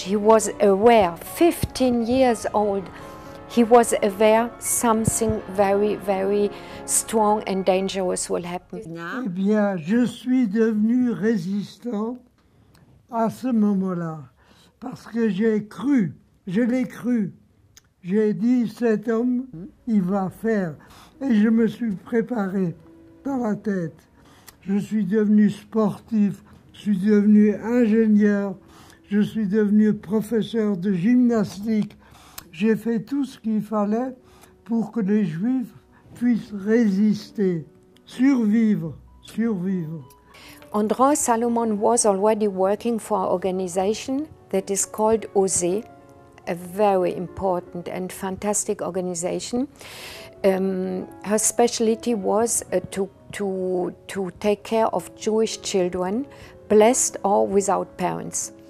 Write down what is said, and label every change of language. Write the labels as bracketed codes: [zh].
[en] He was aware, 15 years old, he was aware something very, very strong and dangerous will happen. [fr] Eh bien, je suis devenu résistant à ce moment-là, parce que j'ai cru, je l'ai cru. J'ai dit, cet homme, il va faire. Et je me suis préparé dans la tête. Je suis devenu sportif. Je suis devenu ingénieur, je suis devenu professeur de gymnastique. J'ai fait tout ce qu'il fallait pour que les Juifs puissent résister, survivre, survivre. [en] André Salomon was already working for an organization that is called OSE, a very important and fantastic organization. Her specialty was to take care of Jewish children, blessed or without parents.